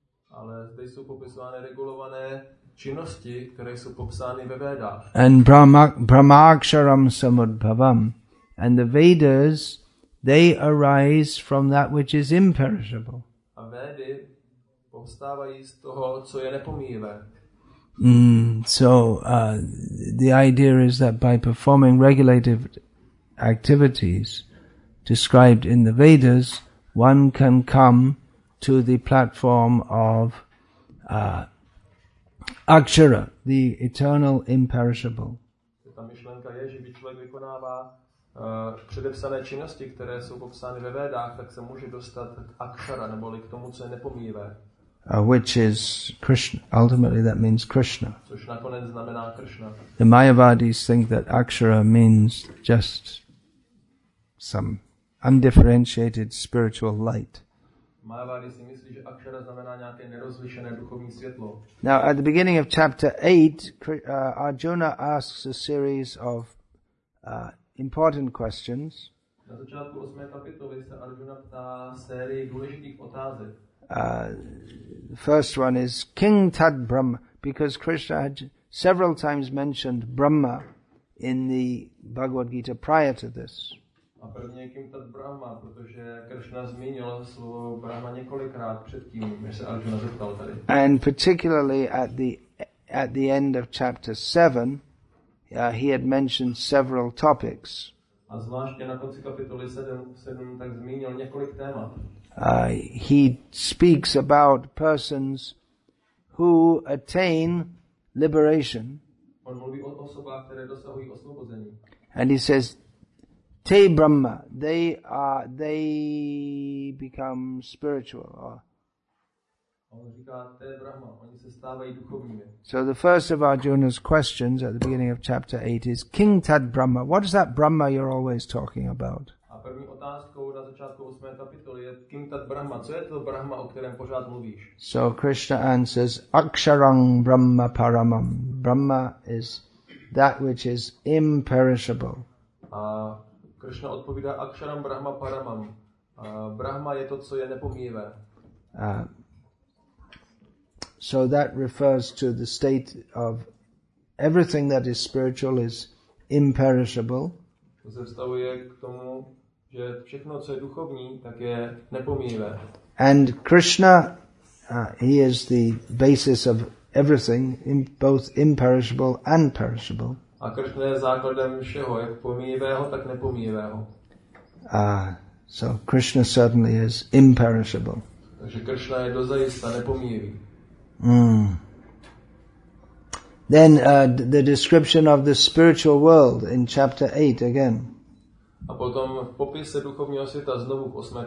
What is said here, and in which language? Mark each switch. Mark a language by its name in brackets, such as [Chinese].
[Czech] Ale zde jsou popisované regulované činnosti, které jsou popsány ve Vedách. [English] And [Sanskrit] brahmaksharam samudbhavam. [English] And the Vedas, they arise from that which is imperishable. [Czech] A Vedy povstávají z toho, co je nepomíjivé. [English] So the idea is that by performing regulative activities described in the Vedas, one can come to the platform of Akshara, the eternal imperishable. [Czech] Ta myšlenka je, že by člověk vykonává předepsané činnosti, které jsou popsány ve Vedách, tak se může dostat k Akshara, neboli k tomu, co je nepomíjivé. [English] Which is Krishna. Ultimately, that means Krishna. [Czech] Což nakonec znamená Krishna. [English] The Mayavadis think that Akshara means just some undifferentiated spiritual light. [Czech] Mayavadi si myslí, že Akshara znamená nějaké nerozlišené duchovní světlo. [English] Now, at the beginning of chapter 8, Arjuna asks a series of important questions. [Czech] Na začátku 8. kapitoly se Arjuna ptá série důležitých otázek. [English] The first one is King Tad Brahma, because Krishna had several times mentioned Brahma in the Bhagavad Gita prior to this. [Czech] A první je [Sanskrit] Kim Tad Brahma, [Czech] protože Krishna zmínil slovo Brahma několikrát předtím, než se Arjuna zeptal tady. [English] And particularly at the end of chapter 7, he had mentioned several topics. [Czech] A zvláště na konci kapitoly 7 tak zmínil několik témat. [English] He speaks about persons who attain liberation. [Czech] On mluví o osobách, které dosahují osvobození. [English] And he says, [Sanskrit] te brahma, [English] they become spiritual. [Czech] On říká, [Sanskrit] te brahma, [Czech] oni se stávají duchovními. [English] So the first of Arjuna's questions at the beginning of chapter 8 is, [Sanskrit] King Tad Brahma, [English] what is that Brahma you're always talking about? [Czech] První otázkou na začátku 8. kapitoly je [Sanskrit] Kim Tad Brahma, [Czech] co je to Brahma, o kterém pořád mluvíš? [English] So Krishna answers, [Sanskrit] Aksharam Brahma Paramam. [English] Brahma is that which is imperishable. [Czech] A Krishna odpovídá, [Sanskrit] Aksharam Brahma Paramam. [Czech] Brahma je to, co je nepomíjivé. [English] So that refers to the state of everything that is spiritual is imperishable. [Czech] To se vztahuje k tomu, že všechno, co je duchovní, tak je nepomíjivé. [English] And Krishna, he is the basis of everything, in both imperishable and perishable. [Czech] A Krishna je základem všeho, jak pomíjivého, tak nepomíjivého. [English] So Krishna certainly is imperishable. [Czech] Takže Krishna je dozajista nepomíjivý. [English] Then the description of the spiritual world in chapter 8 again. [Czech] A potom v popise duchovního světa znovu v 8.